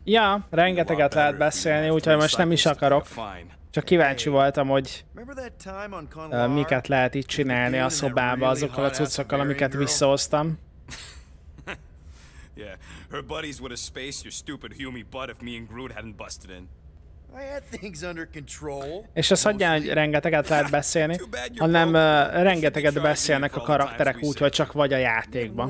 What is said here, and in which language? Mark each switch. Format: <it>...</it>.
<hu>Ja, rengeteget lehet beszélni, úgyhogy most nem is akarok. Csak kíváncsi voltam, hogy miket lehet itt csinálni a szobába azokkal a cuccokkal, amiket visszahoztam.</hu> <en>Yeah, her buddies would have spaced your stupid humy butt if me and Groot hadn't busted in. I had things under control.</en> <hu>És azt hagyján, hogy rengeteget lehet beszélni, hanem rengeteget beszélnek a karakterek úgy, hogy csak vagy a játékban.</hu>